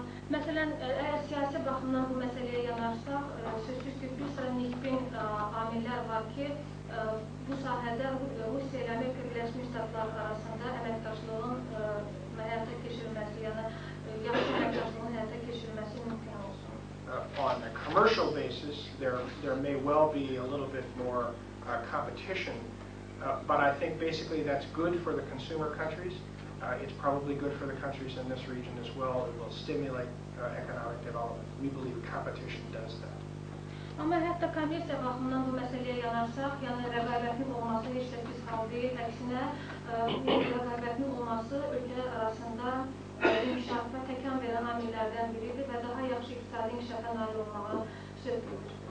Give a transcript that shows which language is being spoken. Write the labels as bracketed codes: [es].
[az] Məsələn, əgər siyasi baxımdan bu məsələyə yanaşsaq, sözsüz ki, bir sıra nikbin amillər var ki, bu sahədə Rusiya ilə Amerika Birləşmiş Ştatları arasında əməkdaşlığın həyata keçirilməsi, yəni yaxşı əməkdaşlığın həyata keçirilməsi mümkün olsun. [en] On a commercial basis, there may well be a little bit more competition, but I think basically that's good for the consumer countries. It's probably good for the countries in this region as well. It will stimulate economic development. We believe competition does that. [az] Amma hətta komissiya baxımından bu məsələyə yanaşsaq, yəni rəqabətin olması heç də pis hal deyil. Əksinə, bu rəqabətin olması ölkələr arasında inkişafa təkan verən amillərdən biridir və daha yaxşı iqtisadi inkişafa nail olmağa sövdür.